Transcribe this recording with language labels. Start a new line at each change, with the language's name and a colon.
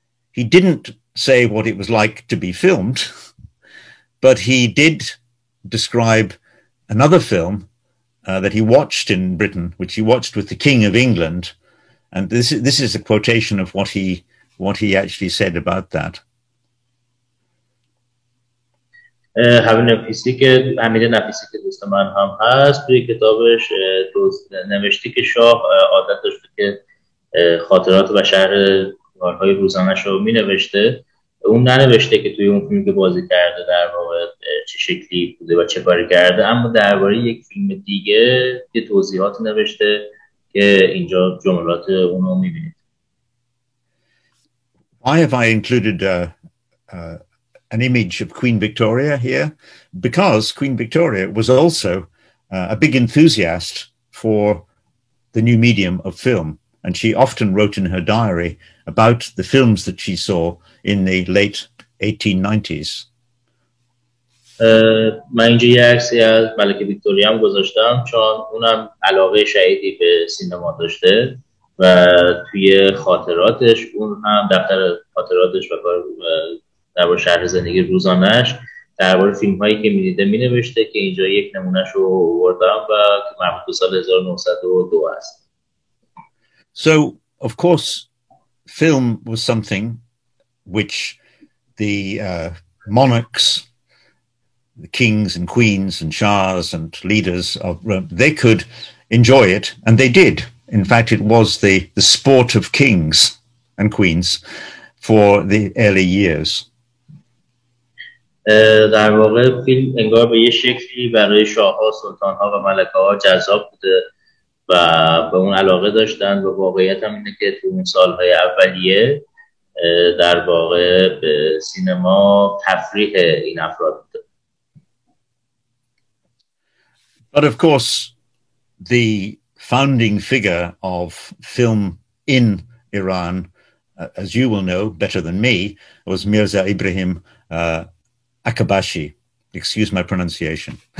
English: He didn't say what it was like to be filmed, but he did describe another film that he watched in Britain, which he watched with the King of England. And this is a quotation of what he actually said about that.
Persian: حمید نفیسی که دوست من هم هست توی کتابش نوشته که شاه عادت داشته که خاطرات و شهر کارهای روزانش رو می نوشته. اون ننوشته که توی اون فیلم که بازی کرده در واقع چه شکلی بوده و چه کاری کرده، اما درباره یک فیلم دیگه یه توضیحات نوشته که اینجا جملات اون رو می بینید.
English: Why have I included an image of Queen Victoria here, because Queen Victoria was also a big enthusiast for the new medium of film, and she often wrote in her diary about the films that she saw in the late 1890s.
Persian: من اینجا یه عکسی از ملکه ویکتوریا هم گذاشتم چون اونم علاقه شدیدی به سینما داشته و توی خاطراتش اون هم دفتر خاطراتش و کار درباره شهر زندگی روزانش درباره فیلم هایی که میدیده مینوشته که اینجا یک نمونهش رو آوردم و که مربوط به سال 1902 است.
English: So of course film was something which the monarchs, the kings and queens and shahs and leaders of Rome, they could enjoy it and they did. In fact it was the sport of kings and queens for the early years.
Persian: در واقع فیلم انگار به یه شکلی برای شاه ها، سلطان ها و ملکه ها جذاب بوده و به اون علاقه داشتن و واقعیت هم اینه که تو اون سالهای اولیه در واقع به سینما تفریح این افراد بوده.
English: But of course the founding figure of film in Iran, as you will know better than me, was Mirza Ibrahim Akabashi, excuse my pronunciation.